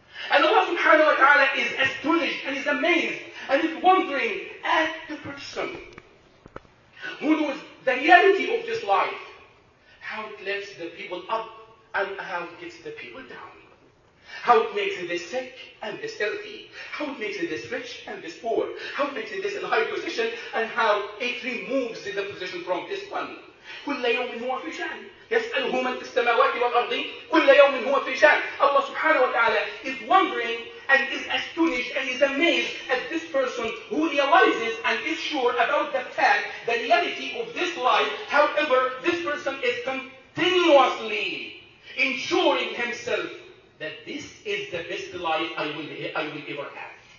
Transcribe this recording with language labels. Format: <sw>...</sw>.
<en>And Allah</en> <ar>subhanahu wa ta'ala</ar> <en>is astonished and is amazed and is wondering at the person who knows the reality of this life, how it lifts the people up and how it gets the people down, how it makes the sick and the healthy, how it makes the rich and the poor, how it makes this in high position, and how it removes the position from this one.</en> <ar>كل يوم هو في شأن يسأله من في السماوات والأرض كل يوم هو في شأن.</ar> <en>Allah</en> <ar>subhanahu wa ta'ala</ar> <en>is wondering and is astonished and is amazed at this person who realizes and is sure about the fact, the reality of this life. However, this person is continuously ensuring himself that this is the best life I will ever have.</en>